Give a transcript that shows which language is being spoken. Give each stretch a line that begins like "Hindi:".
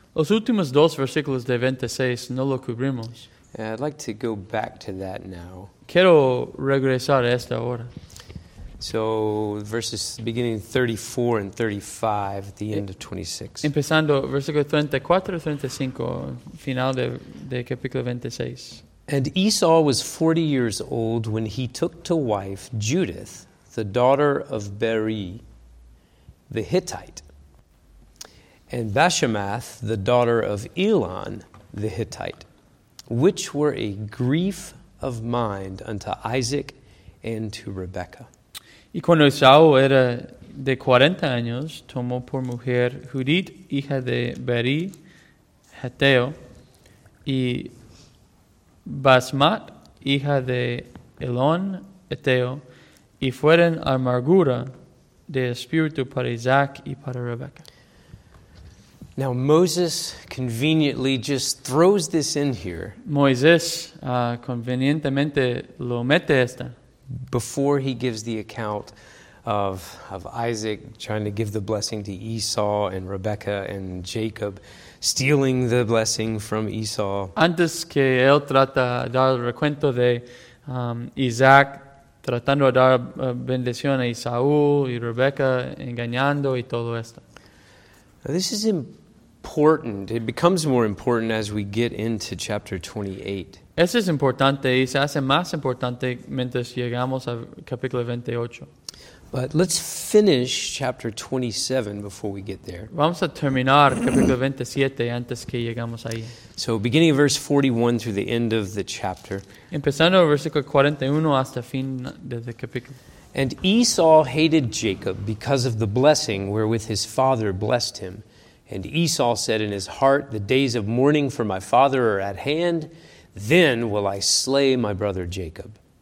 Spanish: Los últimos dos versículos de 26 no lo cubrimos.
English: And I'd like to go back to that now.
Spanish: Quiero regresar a esta hora.
English: So, verses beginning 34 and 35 at the end of 26.
Spanish: Empezando versículo 34 y 35, final de capítulo 26.
English: And Esau was 40 years old when he took to wife Judith, the daughter of Beeri, the Hittite, and Bashemath, the daughter of Elon, the Hittite, which were a grief of mind unto Isaac and to Rebekah.
Spanish: Y cuando Esau era de 40 años, tomó por mujer Judith, hija de Beeri, Heteo, y Basmat, hija de Elón, Heteo, y fueron amargura de espíritu para Isaac y para Rebekah.
English: Now Moses conveniently just throws this in here.
Spanish: Moisés convenientemente lo mete esta.
English: Before he gives the account of Isaac trying to give the blessing to Esau and Rebekah and Jacob stealing the blessing from Esau.
Spanish: Antes que él trata dar el recuento de Isaac tratando de dar bendición a Esaú y Rebekah engañando y todo esto.
English: This is important. It becomes more important as we get into chapter 28.
Spanish: Eso es importante y se hace más importante mientras llegamos al capítulo 28.
English: But let's finish chapter 27 before we get there.
Spanish: Vamos a terminar capítulo 27 antes que llegamos ahí.
English: So beginning of verse 41 through the end of the chapter.
Spanish: Empezando el versículo 41 hasta fin de el capítulo.
English: And Esau hated Jacob because of the blessing wherewith his father blessed him. And Esau said in his heart, the days of mourning for my father are at hand, then will I slay my brother Jacob.